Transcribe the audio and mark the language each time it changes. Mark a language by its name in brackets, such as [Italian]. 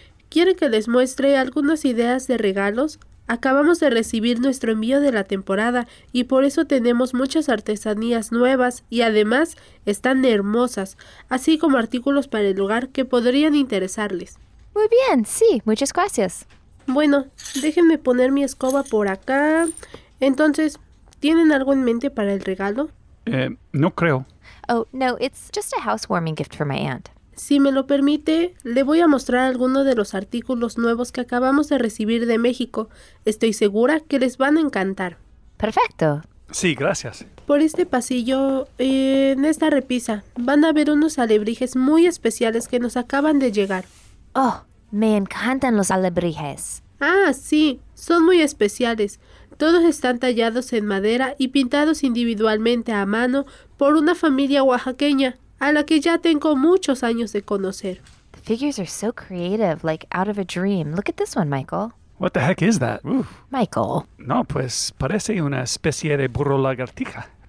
[Spanish] ¿Quieren que les muestre algunas ideas de regalos? Acabamos de recibir nuestro envío de la temporada y por eso tenemos muchas artesanías nuevas y además están hermosas, así como artículos para el hogar que podrían interesarles. Muy bien, sí, muchas gracias. Bueno, déjenme poner mi escoba por acá. Entonces, ¿tienen algo en mente para el regalo? No creo. [English] Oh, no, it's just a housewarming gift for my aunt. [Spanish] Si me lo permite, le voy a mostrar algunos de los artículos nuevos que acabamos de recibir de México. Estoy segura que les van a encantar. Perfecto. Sí, gracias. Por este pasillo, en esta repisa, van a ver unos alebrijes muy especiales que nos acaban de llegar. Oh, me encantan los alebrijes. Ah, sí, son muy especiales. Todos están tallados en madera y pintados individualmente a mano por una familia oaxaqueña a la que ya tengo muchos años de conocer. [English] The figures are so creative, like out of a dream. Look at this one, Michael. What the heck is that? Oof. Michael. [Spanish] No, pues parece una especie de burro lagartija.